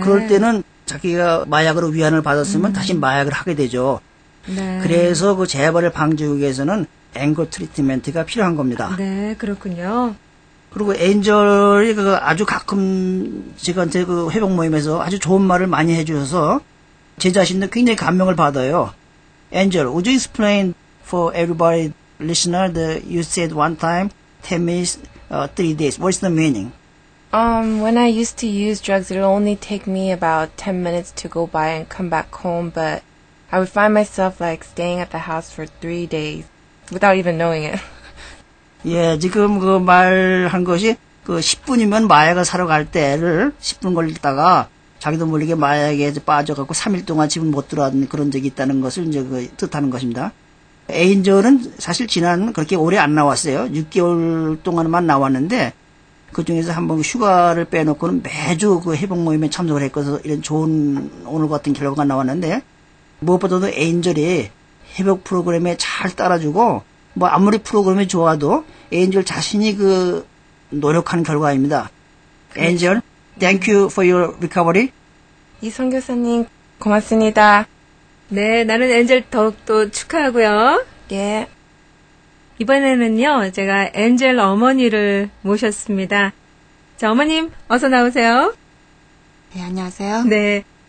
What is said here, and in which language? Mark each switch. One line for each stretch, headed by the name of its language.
Korean: 그럴 때는 자기가 마약으로 위안을 받았으면 다시 마약을 하게 되죠. 네. 그래서 그 재발을 방지하기 위해서는 앵거 트리트먼트가 필요한 겁니다. 네, 그렇군요. 그리고 엔젤이 그 아주 가끔 제가 이제 그 회복 모임에서 아주 좋은 말을 많이 해주셔서 제 자신도 굉장히 감명을 받아요.
English: 엔젤, would you explain for everybody listener that you said one time, 10 minutes, 3 days? What's the meaning? When I used to use drugs, it would only take me about 10 minutes to go by and come back home, but I would find myself like staying at the house for 3 days without even knowing it.
Korean: 예, 지금 그 말한 것이 그 10분이면 마약을 사러 갈 때를 10분 걸리다가 자기도 모르게 마약에 빠져갖고 3일 동안 집을 못 들어왔던 그런 적이 있다는 것을 이제 그 뜻하는 것입니다. 에인저는 사실 지난 그렇게 오래 안 나왔어요. 6개월 동안만 나왔는데 그 중에서 한번 휴가를 빼놓고는 매주 그 회복 모임에 참석을 했고서 이런 좋은 오늘 같은 결과가 나왔는데 무엇보다도 에인저이 회복 프로그램에 잘 따라주고 뭐 아무리 프로그램이 좋아도 엔젤 자신이 그 노력한 결과입니다.
English: 엔젤, thank you for your recovery.
Korean: 이성 교수님, 고맙습니다. 네, 나는 엔젤 더욱더 축하하고요. 예. 이번에는요, 제가 엔젤 어머니를 모셨습니다. 자, 어머님, 어서 나오세요. 네, 안녕하세요. 네.